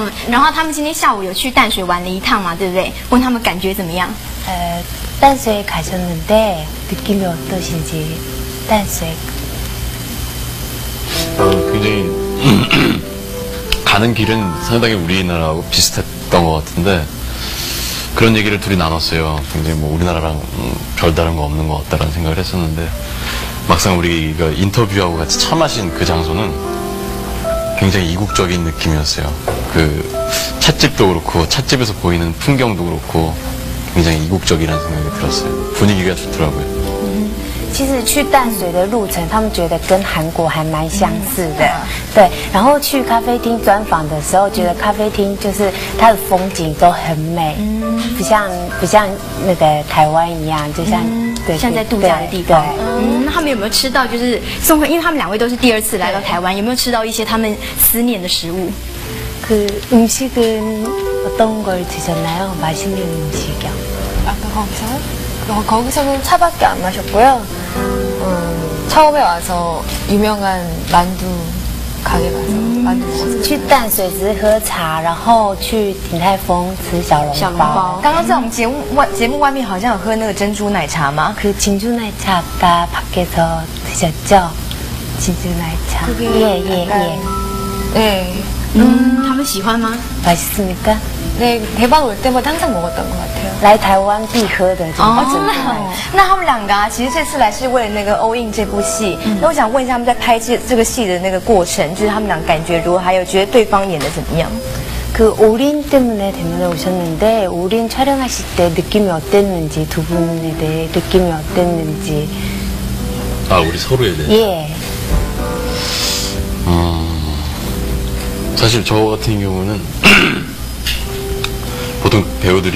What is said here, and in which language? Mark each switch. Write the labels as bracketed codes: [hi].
[zh] 然后他们今天下午有去淡水玩了一趟嘛，对不对？问他们感觉怎么样？淡水 [ko] 가셨는데 느낌이 어떠신지? [zh] 淡水. [ko] 굉장히 가는 길은 상당히 우리나라하고 비슷했던 것 같은데 그런 얘기를 둘이 나눴어요. 굉장히 뭐 우리나라랑 별다른 거 없는 것 같다라는 생각을 했었는데 막상 우리가 인터뷰하고 같이 차 마신 그 장소는 굉장히 이국적인 느낌이었어요. 그 찻집도 그렇고 찻집에서 보이는 풍경도 그렇고 굉장히 이국적이라는 생각이 들었어요. 분위기가 좋더라고요. [zh] 其实去淡水的路程，他们觉得跟韩国还蛮相似的，对。然后去咖啡厅专访的时候，觉得咖啡厅就是它的风景都很美，不像那个台湾一样，就像对，像在度假的地方。那他们有没有吃到就是宋慧，因为他们两位都是第二次来到台湾，有没有吃到一些他们思念的食物？ [ko] 그음식은어떤걸드셨나요맛있는음식이요 아까거기서어 거기서는 차밖에 안 마셨고요. 처음에 와서 유명한 만두 가게 가서 만두 먹었어요. [zh] 去淡水只是喝茶，然后去鼎泰丰吃小笼包。刚刚在我们节目外面好像有喝那个珍珠奶茶吗？ [ko] 그진주奶茶가밖에서드셨죠진주奶茶 예예예네 [zh] 他们喜欢吗？ [ko] 맛있습니까？ 네대박올때마다항상먹었던것같아요 [zh] 来台湾必喝的哦，真的。那他们两个啊，其实这次来是为了那个《欧印》这部戏。那我想问一下，他们在拍这个戏的那个过程，就是他们俩感觉如何，还有觉得对方演的怎么样？ [ko] 그 올인 때문에 때문에 오셨는데 올인 촬영하실 때 느낌이 어땠는지 두 분에 대해 느낌이 어땠는지 아 우리 서로에 대해 예 사실 저 같은 경우는 보통